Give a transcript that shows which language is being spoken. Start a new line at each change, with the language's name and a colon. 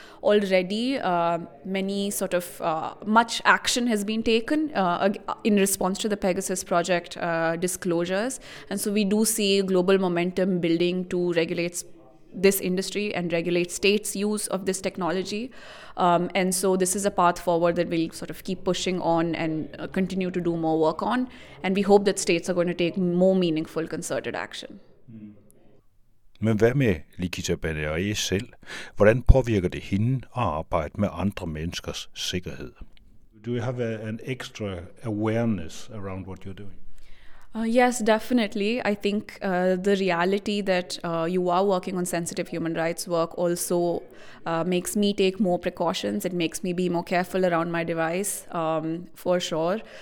English: Already, many sort of much action has been taken in response to the Pegasus project disclosures, and so we do see global momentum building to regulate this industry and regulate states' use of this technology. And so this is a path forward that we'll sort of keep pushing on and continue to do more work on. And we hope that states are going to take more meaningful, concerted action.
Danish: Men hvad med Likita Banaye selv? Hvordan påvirker det hende at arbejde med andre menneskers sikkerhed?
English: Do you have an extra awareness around what you're doing? Yes, definitely. I think the reality that you are working on sensitive human rights work also makes me take more precautions. It makes me be more careful around my device, for sure.